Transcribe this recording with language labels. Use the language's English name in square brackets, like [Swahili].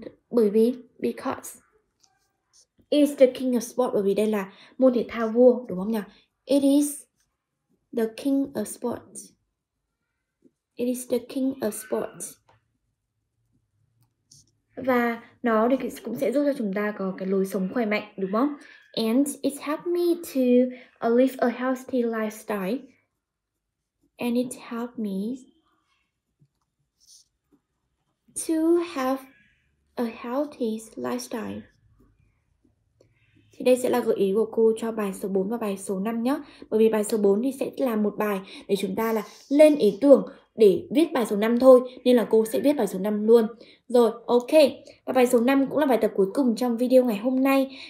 [Vietnamese] Bởi vì, because. [English] It's the king of sport, [Vietnamese] bởi vì đây là môn thể thao vua, đúng không nhỉ? [English] It is the king of sport. It is the king of sport. [Vietnamese] Và nó thì cũng sẽ giúp cho chúng ta có cái lối sống khỏe mạnh, đúng không? [English] And it helped me to live a healthy lifestyle. And it helped me to have a healthy lifestyle. [Vietnamese] Thì đây sẽ là gợi ý của cô cho bài số 4 và bài số 5 nhé. Bởi vì bài số 4 thì sẽ là một bài để chúng ta là lên ý tưởng để viết bài số 5 thôi. Nên là cô sẽ viết bài số 5 luôn. Rồi, ok. Và bài số 5 cũng là bài tập cuối cùng trong video ngày hôm nay.